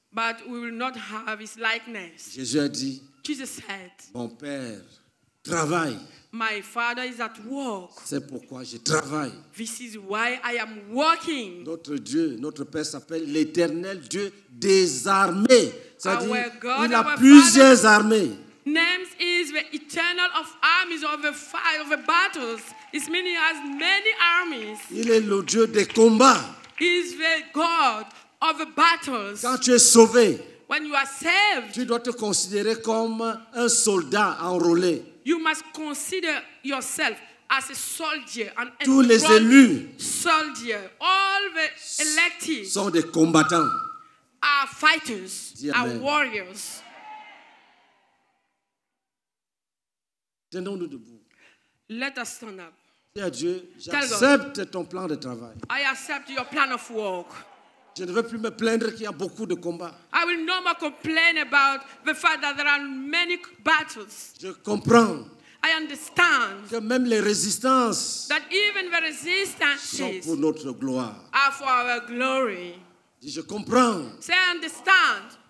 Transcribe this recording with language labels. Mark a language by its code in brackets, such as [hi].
[en] But we will not have his likeness. [fr] Jésus a dit. [en] Jesus said. [fr] Mon père travaille. [en] My father is at work. [fr] C'est pourquoi je travaille. [en] This is why I am working. [fr] Notre Dieu, notre Père s'appelle l'Éternel Dieu des armées. C'est-à-dire, il a plusieurs armées. [en] Names is the Eternal of armies of the fight of the battles. It means he has many armies. [fr] Il est le Dieu des combats. [en] He is the God of the battles. [fr] Quand tu es sauvé, [en] when you are saved, [fr] tu dois te considérer comme un soldat enrôlé. [en] You must consider yourself as a soldier and a [fr] tous les élus [en] soldier. All the elected [fr] sont des combattants. [en] Are fighters, [fr] Dieu [en] are [fr] même. [en] Warriors. [fr] Tenons-nous debout. [en] Let us stand up. [fr] Dis à Dieu, j'accepte ton plan de travail. [en] I accept your plan of work. [fr] Je ne veux plus me plaindre qu'il y a beaucoup de combats. [en] I will no more complain about the fact that there are many battles. [fr] Je comprends. [en] I understand. [fr] Que même les résistances. [en] That even the resistances. [fr] Sont pour notre gloire. [en] Are for our glory. [fr] Je comprends. [en] Say I understand.